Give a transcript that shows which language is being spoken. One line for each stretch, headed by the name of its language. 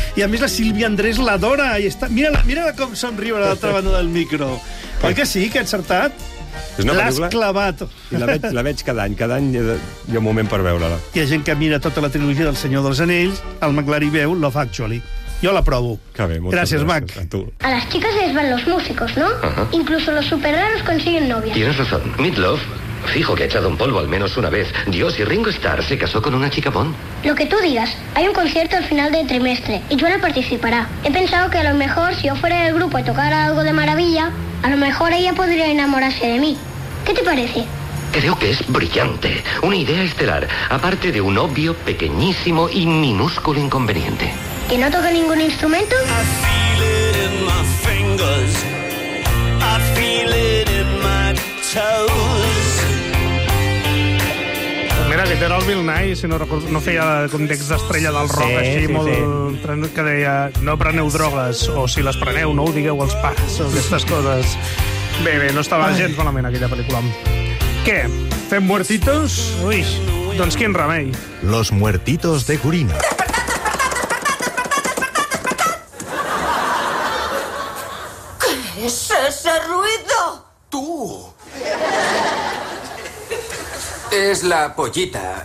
Catalan: I a més la Sílvia Andrés l'adora. Està... Mira-la, mira-la com somriu a l'altra banda del micro. Oi que sí, que ha encertat? L'has clavat. I la veig cada any. Cada any hi ha un moment per veure-la. Hi ha gent que mira tota la trilogia del Senyor dels Anells, el McLaren veu Love Actually.
Spanish: Yo la probo.
Catalan: Que bé, gràcies, Mac. A tu.
Spanish: A las chicas les van los músicos, ¿no? Uh-huh. Incluso los super raros consiguen novia. Tienes razón. Meatloaf, fijo que ha echado un polvo al menos una vez. Dios, y Ringo Starr se casó con una chica Bond. Lo que tú digas. Hay un concierto al final del trimestre y Joel participará. He pensado que a lo mejor si yo fuera del grupo y tocara algo de maravilla, a lo mejor ella podría enamorarse de mí. ¿Qué te parece? Creo que es brillante. Una idea estelar. Aparte de un obvio, pequeñísimo y minúsculo inconveniente. ¿Que no toca ningún instrumento?
English: I feel it in my fingers. I feel it in my toes.
Catalan: Mira, aquest era el Bill Nye, si no recordo, no feia context d'estrella del rock, sí, així, sí, molt... Sí. Que deia, no preneu drogues, o si les preneu, no ho digueu als pares, o aquestes coses. Bé, bé, no estava gens malament aquella pel·lícula. Què? Fem muertitos? Ui, doncs quin remei?
Spanish: Los muertitos de Corina. ¡Ese ruido! ¡Tú! Es la pollita.